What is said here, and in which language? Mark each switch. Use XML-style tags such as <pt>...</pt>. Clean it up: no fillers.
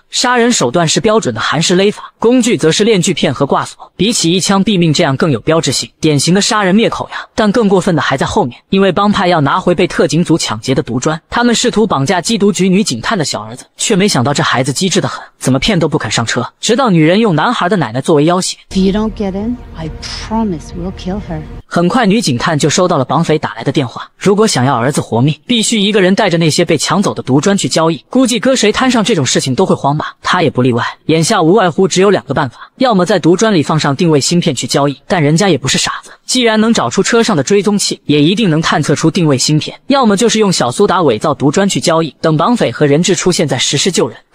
<zh>杀人手段是标准的韩式勒法，工具则是链锯片和挂锁，比起一枪毙命这样更有标志性，典型的杀人灭口呀。但更过分的还在后面，因为帮派要拿回被特警组抢劫的毒砖，他们试图绑架缉毒局女警探的小儿子，却没想到这孩子机智的很，怎么骗都不肯上车。直到女人用男孩的奶奶作为要挟，</zh> <en>If you don't get in, I promise we'll kill her.</en> <zh>很快女警探就收到了绑匪打来的电话，如果想要儿子活命，必须一个人带着那些被抢走的毒砖去交易，估计搁谁摊上这种事情都会慌吧，他也不例外。眼下无外乎只有两个办法，要么在毒砖里放上定位芯片去交易，但人家也不是傻子，既然能找出车上的追踪器，也一定能探测出定位芯片，要么就是用小苏打伪造毒砖去交易，等绑匪和人质出现再实施救人。</zh>